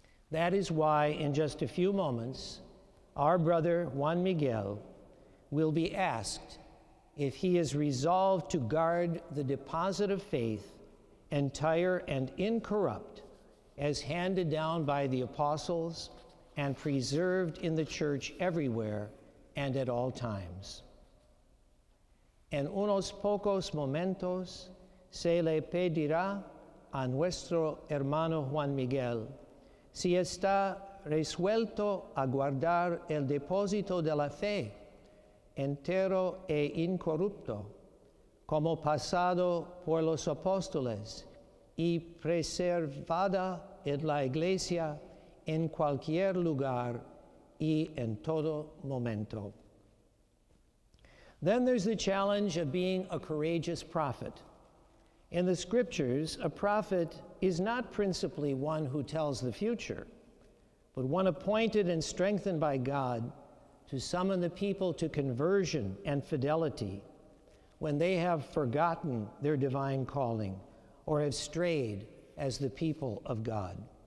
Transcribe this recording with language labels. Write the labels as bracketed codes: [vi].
[en] That is why, in just a few moments, our brother Juan Miguel will be asked if he is resolved to guard the deposit of faith, entire and incorrupt, as handed down by the apostles and preserved in the church everywhere and at all times. [es] En unos pocos momentos se le pedirá a nuestro hermano Juan Miguel si está resuelto a guardar el depósito de la fe entero e incorrupto, como pasado por los apóstoles y preservada en la iglesia en cualquier lugar y en todo momento. [en] Then there's the challenge of being a courageous prophet. In the scriptures, a prophet is not principally one who tells the future, but one appointed and strengthened by God to summon the people to conversion and fidelity when they have forgotten their divine calling or have strayed as the people of God.